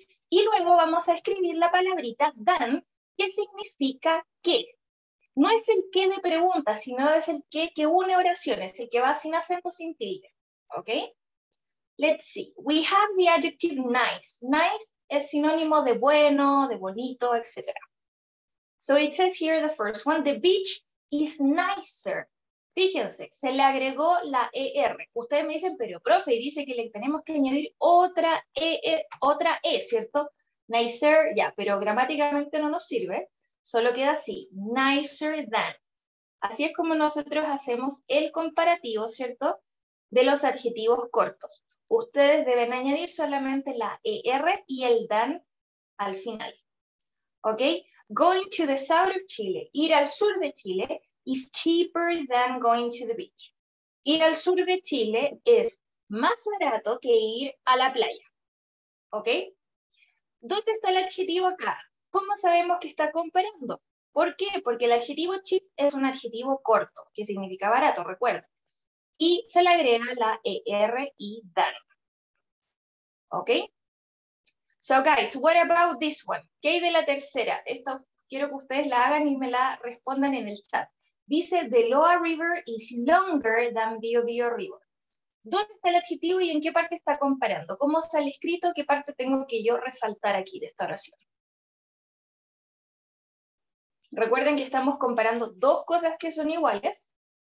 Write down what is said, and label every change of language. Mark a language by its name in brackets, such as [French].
[Spanish] Y luego vamos a escribir la palabrita than, que significa que. No es el que de pregunta, sino es el que une oraciones, el que va sin acento, sin tilde, ¿ok? [English] Let's see, we have the adjective nice. Nice [Spanish] es sinónimo de bueno, de bonito, etc. [English] So it says here the first one, the beach is nicer. [Spanish] Fíjense, se le agregó la ER. Ustedes me dicen, pero profe, dice que le tenemos que añadir otra E, ¿cierto? Nicer, ya, pero gramáticamente no nos sirve. Solo queda así, nicer than. Así es como nosotros hacemos el comparativo, ¿cierto? De los adjetivos cortos. Ustedes deben añadir solamente la ER y el than al final. ¿ok? [English] Going to the south of Chile, [Spanish] ir al sur de Chile, [English] is cheaper than going to the beach. [Spanish] Ir al sur de Chile es más barato que ir a la playa, ¿ok? ¿Dónde está el adjetivo acá? ¿Cómo sabemos que está comparando? ¿Por qué? Porque el adjetivo cheap es un adjetivo corto, que significa barato, recuerda. Y se le agrega la er y than. ¿Ok? [English] So guys, what about this one? [Spanish] ¿Qué hay de la tercera? Esto quiero que ustedes la hagan y me la respondan en el chat. [English] Dice, the Loa River is longer than Bio Bio River. [Spanish] ¿Dónde está el adjetivo y en qué parte está comparando? ¿Cómo sale escrito? ¿Qué parte tengo que yo resaltar aquí de esta oración? Recuerden que estamos comparando dos cosas que son iguales.